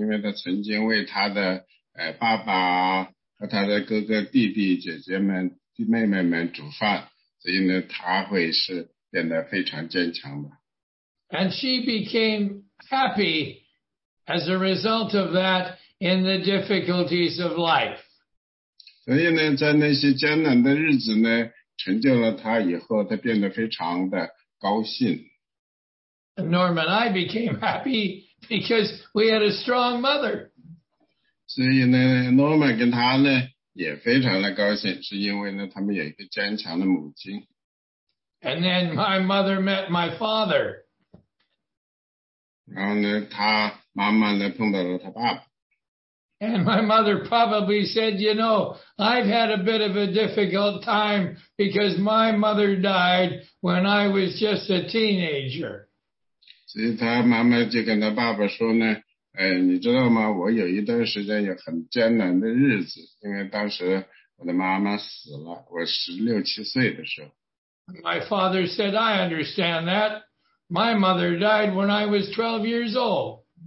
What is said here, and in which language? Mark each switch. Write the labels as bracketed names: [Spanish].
[Chinese] 所以呢,实际上呢,她妈妈呢,非常坚强,她知道怎么去煮饭,因为她曾经为她的爸爸, 和他的哥哥弟弟姐姐们弟妹妹们煮饭，所以呢，他会是变得非常坚强的。 [English] And she became happy as a result of that in the difficulties of life. [Chinese] 所以呢，在那些艰难的日子呢，成就了他以后，他变得非常的高兴。Norman, [English] I became happy because we had a strong mother. [Chinese] 所以呢, Norman 跟他呢, 也非常的高兴, 是因为呢, 他们有一个坚强的母亲。 [English] And then my mother met my father. [Chinese] 然后呢, 他妈妈呢, 碰到了他爸爸。 [English] And my mother probably said, you know, I've had a bit of a difficult time because my mother died when I was just a teenager. [Chinese] 所以他妈妈就跟他爸爸说呢, 哎，你知道吗？我有一段时间有很艰难的日子，因为当时我的妈妈死了，我16、7岁的时候。 [English] My father said, "I understand that. My mother died when I was 12 years old."